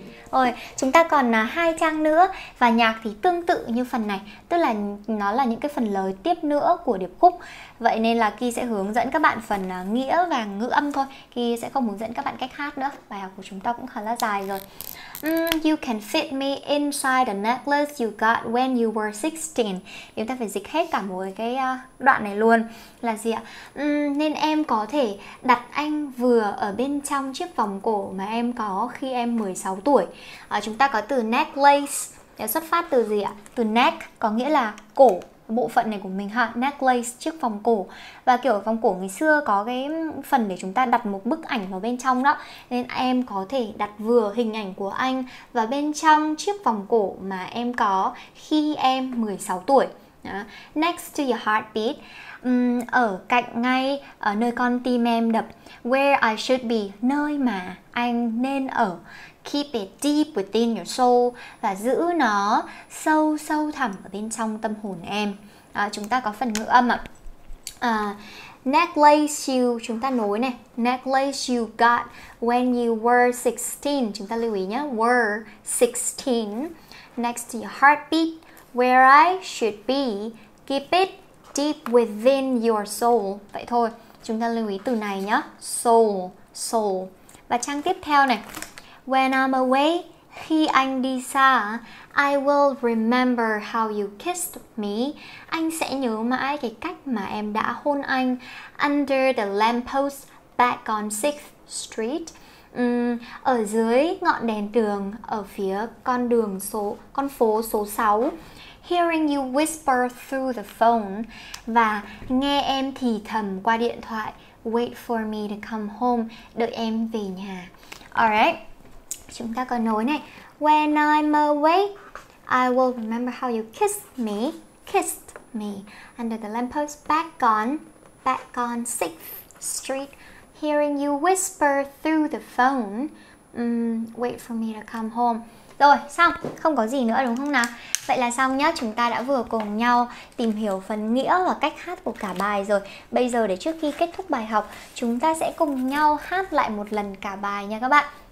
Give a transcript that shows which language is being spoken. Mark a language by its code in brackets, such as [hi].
[vi] Rồi, chúng ta còn hai trang nữa. Và nhạc thì tương tự như phần này, tức là nó là những cái phần lời tiếp nữa của điệp khúc. Vậy nên là Ki sẽ hướng dẫn các bạn phần nghĩa và ngữ âm thôi. Ki sẽ không hướng dẫn các bạn cách hát nữa. Bài học của chúng ta cũng khá là dài rồi. [en] You can fit me inside the necklace you got when you were 16. [vi] Chúng ta phải dịch hết cả một cái đoạn này luôn. Là gì ạ? Nên em có thể đặt anh vừa ở bên trong chiếc vòng cổ mà em có khi em 16 tuổi. Chúng ta có từ necklace xuất phát từ gì ạ? Từ neck có nghĩa là cổ, bộ phận này của mình ha, necklace, chiếc vòng cổ. Và kiểu vòng cổ ngày xưa có cái phần để chúng ta đặt một bức ảnh vào bên trong đó, nên em có thể đặt vừa hình ảnh của anh vào bên trong chiếc vòng cổ mà em có khi em 16 tuổi. [en] Next to your heartbeat, [vi] ở cạnh ngay ở nơi con tim em đập. [en] Where I should be, [vi] nơi mà anh nên ở. [en] Keep it deep within your soul, [vi] và giữ nó sâu sâu thẳm ở bên trong tâm hồn em. Chúng ta có phần ngữ âm ạ. [en] Necklace you, [vi] chúng ta nối này. [en] Necklace you got when you were 16. [vi] Chúng ta lưu ý nhé, [en] were 16. Next to your heartbeat, where I should be, keep it deep within your soul. [vi] Vậy thôi, chúng ta lưu ý từ này nhé. Soul, soul. Và trang tiếp theo này. [en] When I'm away, [vi] Khi anh đi xa, [en] I will remember how you kissed me. [vi] Anh sẽ nhớ mãi cái cách mà em đã hôn anh. [en] Under the lamppost back on 6th Street. [vi] Ở dưới ngọn đèn đường ở phía con phố số 6. [en] Hearing you whisper through the phone. [vi] Và nghe em thì thầm qua điện thoại. [en] Wait for me to come home. [vi] Đợi em về nhà. Alright. Chúng ta có nối này. [en] When I'm awake, I will remember how you kissed me under the lamppost back on 6th Street, hearing you whisper through the phone, wait for me to come home. [vi] Rồi, xong, không có gì nữa đúng không nào? Vậy là xong nhá, chúng ta đã vừa cùng nhau tìm hiểu phần nghĩa và cách hát của cả bài rồi. Bây giờ để trước khi kết thúc bài học, chúng ta sẽ cùng nhau hát lại một lần cả bài nha các bạn.